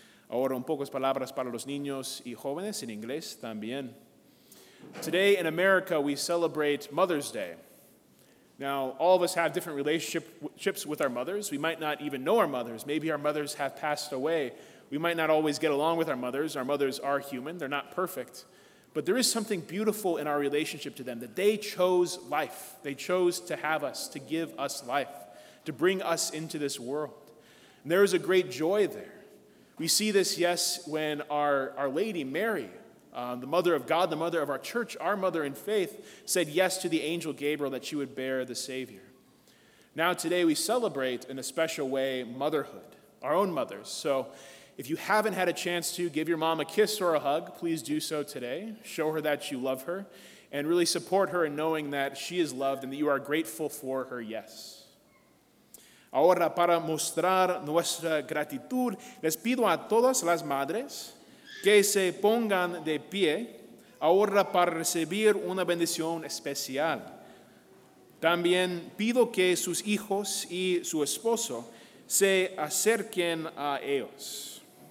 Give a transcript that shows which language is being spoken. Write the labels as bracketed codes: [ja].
[es] Ahora, un pocas palabras para los niños y jóvenes en inglés también. [en] Today in America, we celebrate Mother's Day. Now, all of us have different relationships with our mothers. We might not even know our mothers. Maybe our mothers have passed away. We might not always get along with our mothers. Our mothers are human. They're not perfect. But there is something beautiful in our relationship to them, that they chose life. They chose to have us, to give us life, to bring us into this world. And there is a great joy there. We see this, yes, when our Lady Mary, the mother of God, the mother of our church, our mother in faith, said yes to the angel Gabriel that she would bear the Savior. Now today we celebrate in a special way motherhood, our own mothers. So if you haven't had a chance to give your mom a kiss or a hug, please do so today. Show her that you love her and really support her in knowing that she is loved and that you are grateful for her yes. [es] Ahora, para mostrar nuestra gratitud, les pido a todas las madres que se pongan de pie ahora para recibir una bendición especial. También pido que sus hijos y su esposo se acerquen a ellos.